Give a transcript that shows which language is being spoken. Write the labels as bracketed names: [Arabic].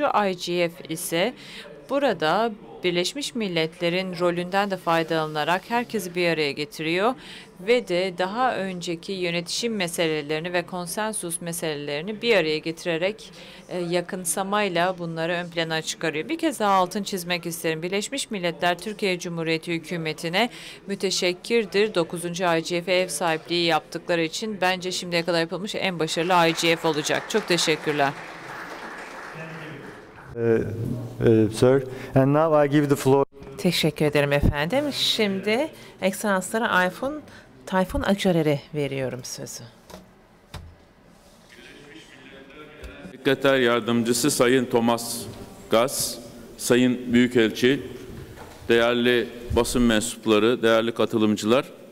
[Turkish] IGF ise burada Birleşmiş Milletler'in rolünden de faydalanarak herkesi bir araya getiriyor ve de daha önceki yönetişim meselelerini ve konsensus meselelerini bir araya getirerek yakınsamayla bunları ön plana çıkarıyor. Bir kez daha altını çizmek isterim. Birleşmiş Milletler Türkiye Cumhuriyeti Hükümeti'ne müteşekkirdir. 9. IGF ev sahipliği yaptıkları için bence şimdiye kadar yapılmış en başarılı IGF olacak. Çok teşekkürler. [English] Sir, and now I give the floor. [Turkish] Teşekkür ederim efendim. Şimdi Excellency'lere Tayfun Acarer'e veriyorum sözü. Sekreter Yardımcısı Sayın Thomas Gass, Sayın Büyükelçi, değerli basın mensupları, değerli katılımcılar.